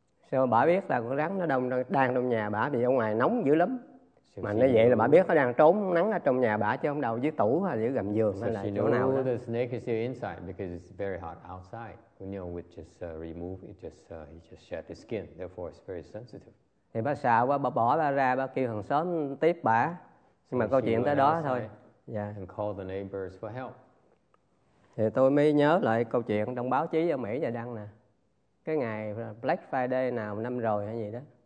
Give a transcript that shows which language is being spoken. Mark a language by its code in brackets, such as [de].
[vi] So bà biết là con rắn nó đang trong nhà bà, vì ở ngoài nóng dữ lắm. Mà nó vậy là bà biết nó đang trốn nắng ở trong nhà bà, chứ không đâu dưới tủ hay dưới gầm giường hay là chỗ nào. [en] So the snake is still inside because it's very hot outside. You know, we just remove it, just shed the skin, therefore it's very sensitive. [vi] Thì bà sợ quá, bà bỏ bà ra, bà kêu hàng xóm tiếp bà. Nhưng mà câu chuyện tới đó thôi. [en] Yeah. And call the neighbors for help. [vi] Thì tôi mới nhớ lại câu chuyện trong báo chí ở Mỹ giờ đăng nè. Cái ngày Black Friday nào năm rồi hay gì đó.